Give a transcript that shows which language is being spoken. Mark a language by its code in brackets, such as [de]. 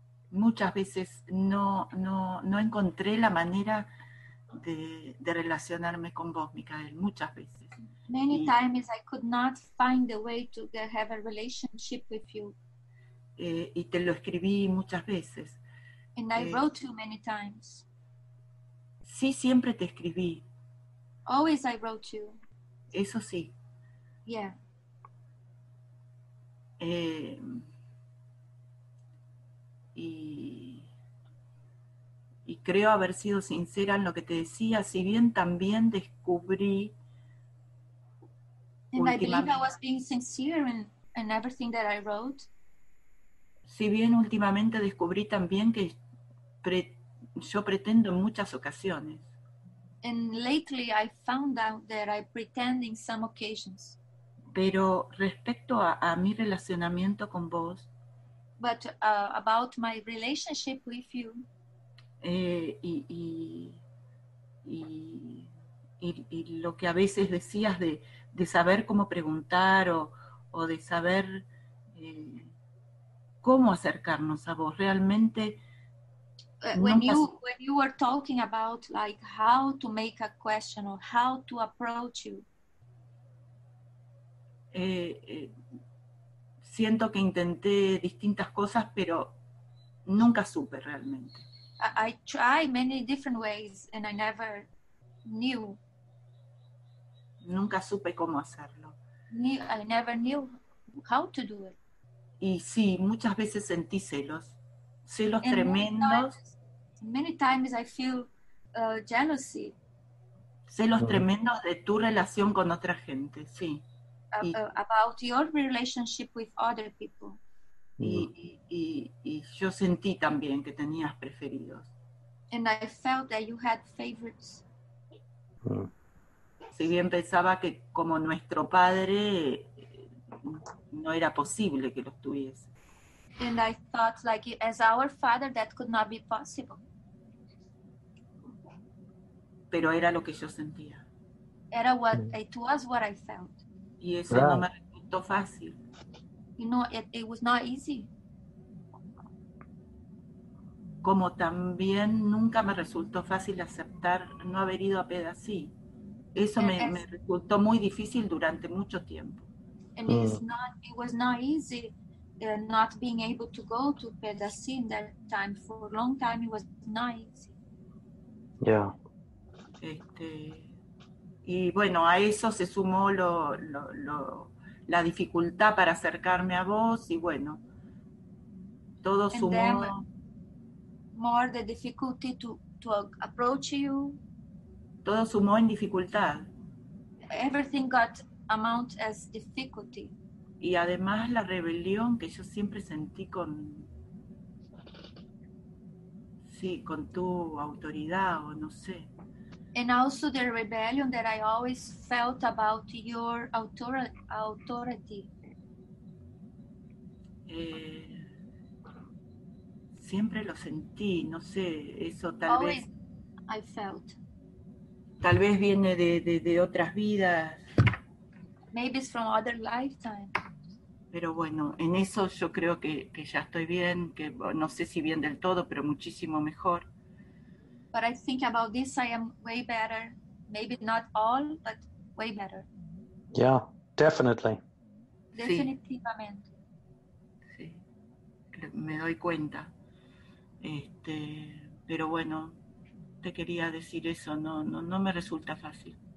[es] Muchas veces no encontré la manera de relacionarme con vos, Micael. Muchas veces. [en] Many times I could not find a way to have a relationship with you. [es] Y te lo escribí muchas veces. [en] And I wrote you many times. [es] Sí, siempre te escribí. [en] Always I wrote you. [es] Eso sí. [en] Yeah. [es] y creo haber sido sincera en lo que te decía, si bien también descubrí. [en] And I believe I was being sincere in everything that I wrote. [es] Si bien últimamente descubrí también que yo pretendo en muchas ocasiones. [en] And lately I found out that I pretend in some occasions. [es] Pero respecto a mi relacionamiento con vos. [en] But about my relationship with you. [es] Y lo que a veces decías de saber cómo preguntar o de saber cómo acercarnos a vos realmente. [en] When you were talking about like how to make a question or how to approach you. [es] Siento que intenté distintas cosas, pero nunca supe realmente. [en] I tried many different ways and I never knew. [es] Nunca supe cómo hacerlo. [en] I never knew how to do it. [es] Y sí, muchas veces sentí celos and tremendos. [en] Many times I feel jealousy. [es] Celos tremendos de tu relación con otra gente, sí. [en] About your relationship with other people. [es] Y yo sentí también que tenías preferidos. [en] And I felt that you had favorites. [es] Si bien pensaba que como nuestro padre no era posible que los tuviese. [en] And I thought like as our father that could not be possible. [es] Pero era lo que yo sentía. Era [en] what it was what I felt. [es] Y eso no me resultó fácil. [en] You know, it was not easy. [es] Como también nunca me resultó fácil aceptar no haber ido a Pedací. Eso me resultó muy difícil durante mucho tiempo. [en] And it was not easy not being able to go to Pedací in that time. For a long time, it was not easy. Yeah. [es] Y bueno, a eso se sumó la dificultad para acercarme a vos y bueno, todo sumó. [en] And then, more the difficulty to approach you. [es] Todo sumó en dificultad. [en] Everything got amount as difficulty. [es] Y además la rebelión que yo siempre sentí con sí, con tu autoridad o no sé. [en] And also the rebellion that I always felt about your authority. [es] Siempre lo sentí, no sé, eso tal [en] always [es] vez. [en] I felt. [es] Tal vez viene de otras vidas. [en] Maybe it's from other lifetimes. [es] Pero bueno, en eso yo creo que ya estoy bien, que no sé si bien del todo, pero muchísimo mejor. [en] But I think about this, I am way better. Maybe not all, but way better. Yeah, definitely. [es] Definitivamente. Sí. Sí, me doy cuenta. Pero bueno, te quería decir eso. No me resulta fácil.